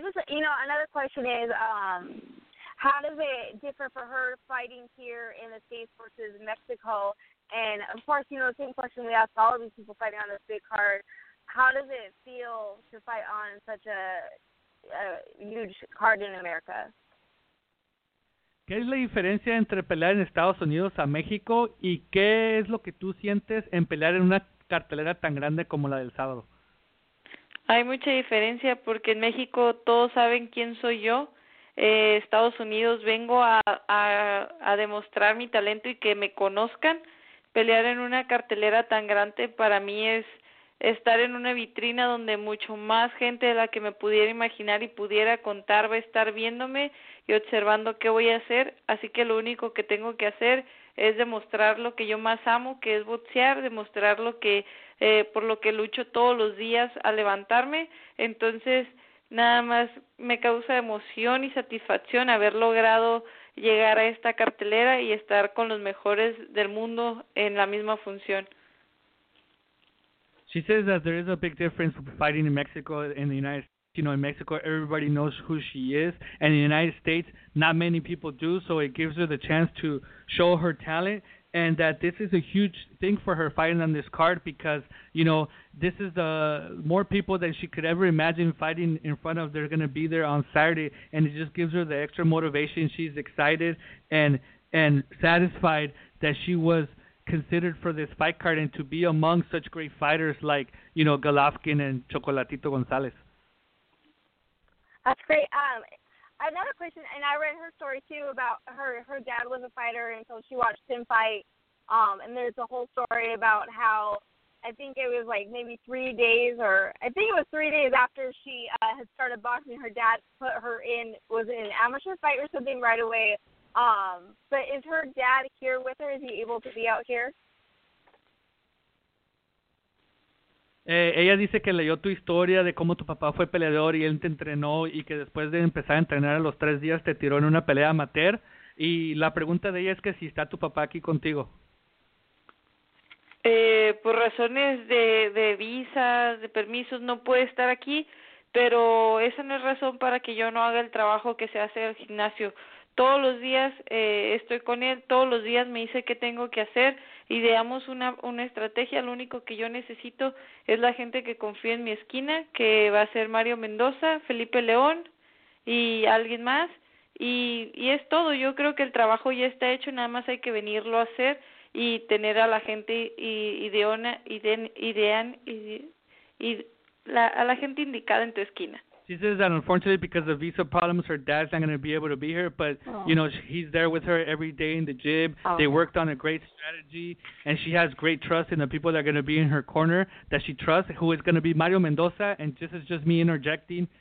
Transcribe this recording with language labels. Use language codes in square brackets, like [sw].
[en] Another question is, how does it differ for her fighting here in the States versus Mexico? And, of course, you know, the same question we ask all of these people fighting on this big card, how does it feel to fight on such a huge card in America? [es] ¿Qué es la diferencia entre pelear en Estados Unidos a México y qué es lo que tú sientes en pelear en una cartelera tan grande como la del sábado? Hay mucha diferencia porque en México todos saben quién soy yo. Estados Unidos vengo a demostrar mi talento y que me conozcan. Pelear en una cartelera tan grande para mí es estar en una vitrina donde mucho más gente de la que me pudiera imaginar y pudiera contar va a estar viéndome y observando qué voy a hacer. Así que lo único que tengo que hacer es demostrar lo que yo más amo, que es boxear, demostrar lo que por lo que lucho todos los días a levantarme. Entonces, nada más me causa emoción y satisfacción haber logrado llegar a esta cartelera y estar con los mejores del mundo en la misma función. [en] She says that there is a big difference fighting in Mexico and the United States. You know, in Mexico, everybody knows who she is. And in the United States, not many people do. So it gives her the chance to show her talent. And that this is a huge thing for her fighting on this card because, you know, this is more people than she could ever imagine fighting in front of. They're going to be there on Saturday. And it just gives her the extra motivation. She's excited and satisfied that she was considered for this fight card and to be among such great fighters like, you know, Golovkin and Chocolatito Gonzalez. That's great. Another question, and I read her story too about her dad was a fighter and so she watched him fight. And there's a whole story about how I think it was like maybe 3 days or I think it was 3 days after she had started boxing, her dad put her in, was it an amateur fight or something right away. But is her dad here with her? Is he able to be out here? [es] Ella dice que leyó tu historia de cómo tu papá fue peleador y él te entrenó y que después de empezar a entrenar a los 3 días te tiró en una pelea amateur. Y la pregunta de ella es que si está tu papá aquí contigo. Por razones de visas, de permisos, no puede estar aquí, pero esa no es razón para que yo no haga el trabajo que se hace en el gimnasio. Todos los días estoy con él, todos los días me dice qué tengo que hacer, ideamos una estrategia, lo único que yo necesito es la gente que confía en mi esquina, que va a ser Mario Mendoza, Felipe León y alguien más, y es todo, yo creo que el trabajo ya está hecho, nada más hay que venirlo a hacer y tener a la gente a la gente indicada en tu esquina. [en] She says that unfortunately because of visa problems, her dad's not going to be able to be here, but, you know, he's there with her every day in the gym. Oh. They worked on a great strategy, and she has great trust in the people that are going to be in her corner that she trusts, who is going to be Mario Mendoza, and this is just me interjecting.